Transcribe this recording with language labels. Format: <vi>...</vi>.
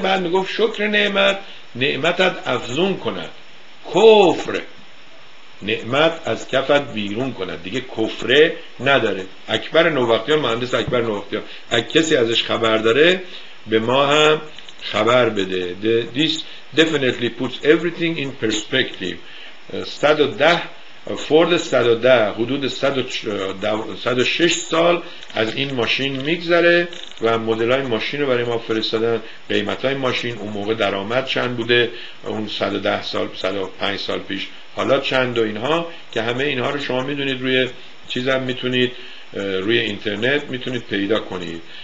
<fa>بعد میگفت شکر نعمت، نعمتت افزون کند، کفر نعمت از کفت بیرون کند. دیگه کفره نداره. اکبر نوبختیان، مهندس اکبر نوبختیان، اگه کسی ازش خبر داره به ما هم خبر بده.</fa> <en>This definitely puts everything in perspective.</en> <fa>110 فورد 110 حدود 106 سال از این ماشین میگذره و مدلای ماشین رو برای ما فرستادن. قیمتای ماشین اون موقع درآمد چند بوده، اون 110 سال 105 سال پیش حالا چند و اینها، که همه اینها رو شما میدونید، روی چیزم میتونید، روی اینترنت میتونید پیدا کنید.</fa>